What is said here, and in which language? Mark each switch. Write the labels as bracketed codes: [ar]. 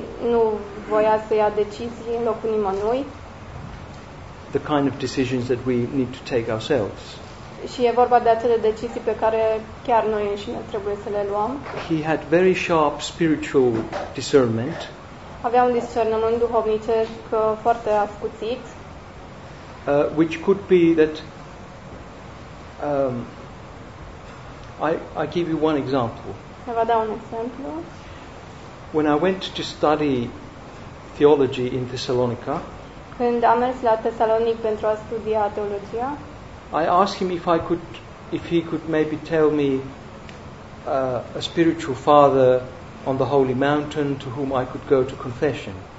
[ro] Nu voia să ia decizii în locul nimănui. [en] The kind of decisions that we need to take ourselves. [ro] Și e vorba de acele decizii pe care chiar noi înșine trebuie să le luăm. [en] He had very sharp spiritual discernment. [ro] Avea un discernământ duhovnicesc foarte ascuțit. [en] Which could be that I give you one example. [ro] Ne va da un exemplu. [en] When I went to study theology in Thessalonica, [ro] când am mers la Tesalonic pentru a studia teologia, [en] I asked him if he could maybe tell me a spiritual father on the holy mountain to whom I could go to confession.